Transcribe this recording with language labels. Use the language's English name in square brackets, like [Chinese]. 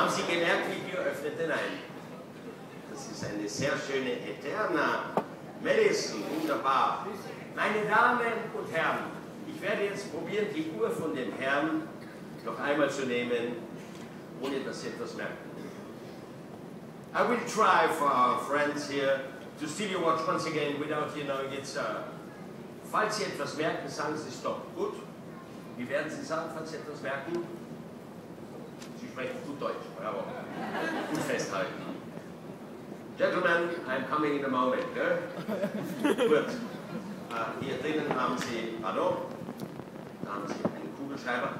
[German] Haben Sie gelernt, wie die öffnete? Nein. Das ist eine sehr schöne Eterna. Madison, wunderbar. Meine Damen und Herren, ich werde jetzt probieren, die Uhr von dem Herrn noch einmal zu nehmen, ohne dass Sie etwas merken. [English] I will try for our friends here to steal your watch once again without you knowing it, sir. [German] Falls Sie etwas merken, sagen Sie stopp. Gut? Wie werden Sie sagen, falls Sie etwas merken? Sie sprechen gut Deutsch. Bravo. Gut festhalten. [English] Gentlemen, I'm coming in a moment, [German] gell? Gut. Hier drinnen haben Sie, hallo? Da haben Sie einen Kugelschreiber.